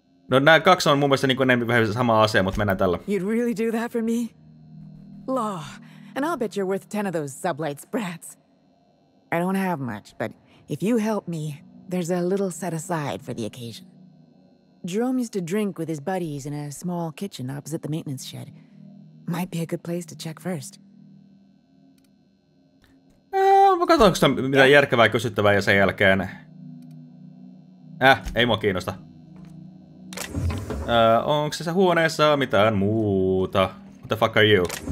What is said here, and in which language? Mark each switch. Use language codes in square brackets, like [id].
[fi] No nämä kaksi on mun mielestä niin kuin ne vähän sama asia, mutta mennään tällä. [en] You'd really do that for me? Law, and I'll bet you're worth 10 of those Sublight sprats. I don't have much, but if you help me, there's a little set aside for the occasion. Jerome used to drink with his buddies in a small kitchen opposite the maintenance shed. Might be a good place to check first. [fi] katsotaanko sitä mitään järkevää kysyttävää ja sen jälkeen... ei mua kiinnosta. Onko se huoneessa mitään muuta? [en] What the fuck are you?